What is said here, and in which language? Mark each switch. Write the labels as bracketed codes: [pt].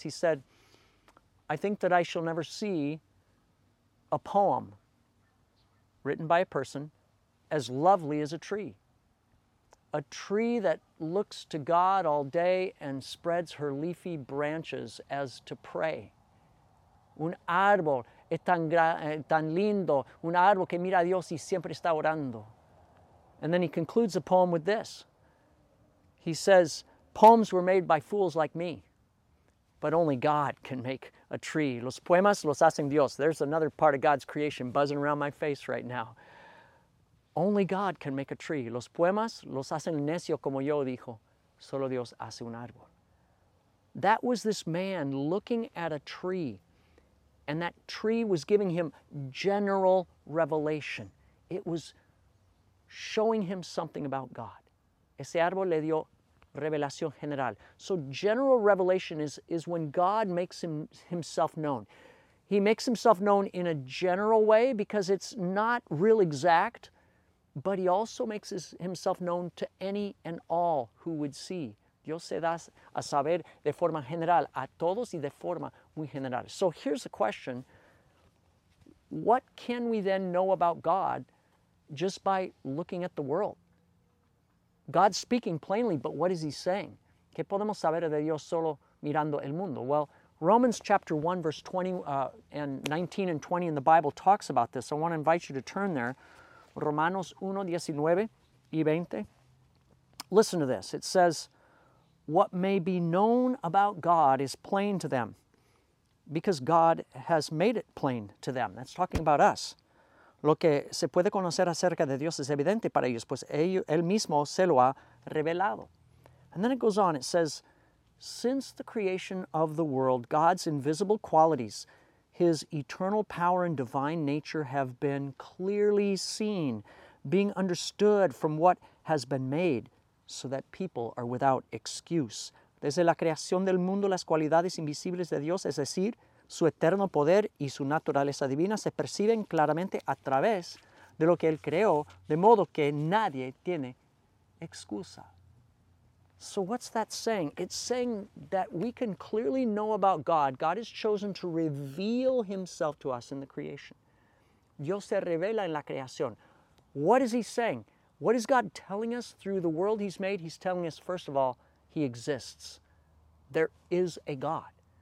[en] He said, I think that I shall never see a poem written by a person as lovely as a tree. A tree that looks to God all day and spreads her leafy branches as to pray. [es] Un árbol es tan lindo, un árbol que mira a Dios y siempre está orando. [en] And then he concludes the poem with this. He says, poems were made by fools like me, but only God can make a tree. [es] Los poemas los hacen Dios. [en] There's another part of God's creation buzzing around my face right now. Only God can make a tree. [es] Los poemas los hacen necio como yo, dijo. Solo Dios hace un árbol. [en] That was this man looking at a tree. And that tree was giving him general revelation. It was showing him something about God. [es] Ese árbol le dio revelación general. [en] So general revelation is when God makes himself known. He makes himself known in a general way because it's not real exact, but he also makes himself known to any and all who would see. [es] Dios se da a saber de forma general, a todos y de forma muy general. [en] So here's the question. What can we then know about God just by looking at the world? God's speaking plainly, but what is he saying? [es] ¿Qué podemos saber de Dios solo mirando el mundo? [en] Well, Romans chapter 1, verse 20 and 19 and 20 in the Bible talks about this. I want to invite you to turn there. [es] Romanos 1, 19 y 20. [en] Listen to this. It says, what may be known about God is plain to them because God has made it plain to them. That's talking about us. [es] Lo que se puede conocer acerca de Dios es evidente para ellos, pues él mismo se lo ha revelado. [en] And then it goes on. It says, since the creation of the world, God's invisible qualities, his eternal power and divine nature have been clearly seen, being understood from what has been made, so that people are without excuse. [es] Desde la creación del mundo, las cualidades invisibles de Dios, es decir, su eterno poder y su naturaleza divina, se perciben claramente a través de lo que Él creó, de modo que nadie tiene excusa. [en] So what's that saying? It's saying that we can clearly know about God. God has chosen to reveal Himself to us in the creation. [es] Dios se revela en la creación. [en] What is He saying? What is God telling us through the world He's made? He's telling us, first of all, He exists. There is a God.